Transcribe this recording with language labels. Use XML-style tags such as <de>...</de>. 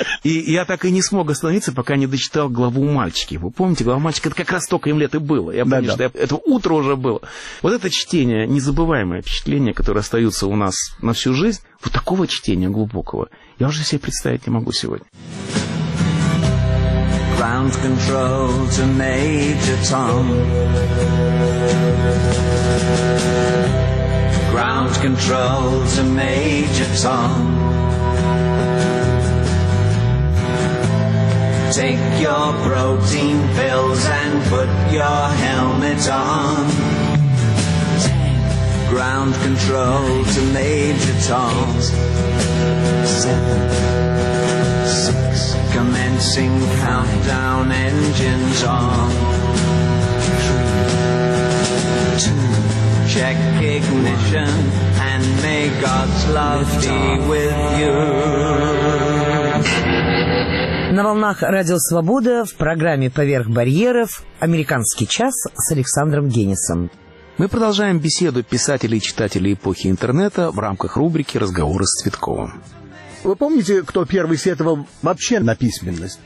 <ru>И я так и не смог остановиться, пока не дочитал главу «Мальчики». Вы помните, глава «Мальчики» — это как раз столько им лет и было. Я помню, что это утро уже было. Вот это чтение, незабываемое впечатление, которые остаются у нас на всю жизнь, вот такого чтения глубокого я уже себе представить не могу сегодня.</ru> <en>Ground control to Major Tom. Ground control to Major Tom. Take your protein pills and put your helmet on. Ground control to Major Tom. 7, 6, commencing countdown, engines on. 3, 2, check ignition, and may God's love be with you.</en> <ru>На волнах Радио Свобода в программе «Поверх барьеров» «Американский час» с Александром Генисом. Мы продолжаем беседу писателей и читателей эпохи интернета в рамках рубрики «Разговоры с Цветковым». Вы помните, кто первый сетовал вообще на письменность?</ru>